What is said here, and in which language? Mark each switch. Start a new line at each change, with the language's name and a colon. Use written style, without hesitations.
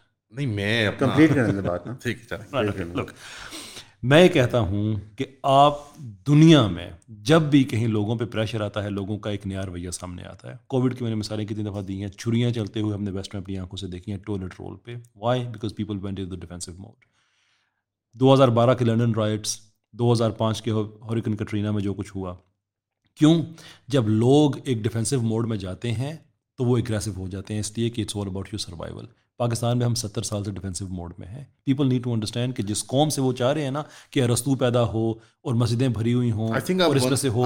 Urdu: نہیں میں کمپلیٹ کرنے کی بات نا. میں یہ کہتا ہوں کہ آپ دنیا میں جب بھی کہیں لوگوں پہ پریشر آتا ہے لوگوں کا ایک نیا رویہ سامنے آتا ہے. کووڈ کی میں نے مثالیں کتنی دفعہ دی ہیں, چھریاں چلتے ہوئے ہم نے ویسٹ میں اپنی آنکھوں سے دیکھی ہیں ٹوائلٹ رول پہ.
English: Why? Because people went in the defensive mode.
Urdu: 2012 کے لنڈن رائٹس, 2005 کے ہریکین کٹرینا میں جو کچھ ہوا. کیوں؟ جب لوگ ایک ڈیفینسو موڈ میں جاتے ہیں تو وہ اگریسو ہو جاتے ہیں, اس لیے کہ
English: It's all about your survival.
Urdu: Pakistan میں ہم 70 سال سے ڈیفینسو موڈ میں ہیں.
English: people need to understand
Urdu: کہ جس قوم سے وہ چاہ رہے ہیں نا کہ ارسطو پیدا ہو اور مسجدیں بھری ہوئی ہوں اور اس طرح سے ہو,